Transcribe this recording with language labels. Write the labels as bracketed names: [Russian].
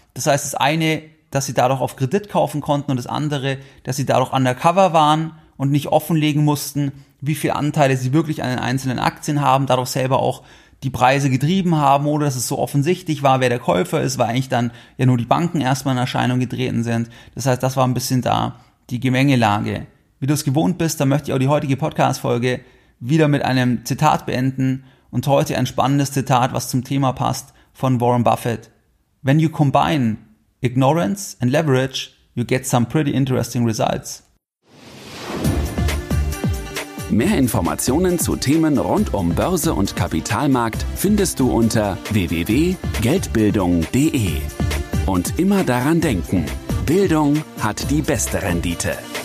[German] Das heißt, das eine, dass sie dadurch auf Kredit kaufen konnten und das andere, dass sie dadurch undercover waren und nicht offenlegen mussten, wie viele Anteile sie wirklich an den einzelnen Aktien haben, dadurch selber auch die Preise getrieben haben oder dass es so offensichtlich war, wer der Käufer ist, weil eigentlich dann ja nur die Banken erstmal in Erscheinung getreten sind. Das heißt, das war ein bisschen da die Gemengelage. Wie du es gewohnt bist, dann möchte ich auch die heutige Podcast-Folge wieder mit einem Zitat beenden und heute ein spannendes Zitat, was zum Thema passt, von Warren Buffett. [English] When you combine ignorance and leverage, you get some pretty interesting results. [German] Mehr Informationen zu Themen rund um Börse und Kapitalmarkt findest du unter www.geldbildung.de. Und immer daran denken, Bildung hat die beste Rendite.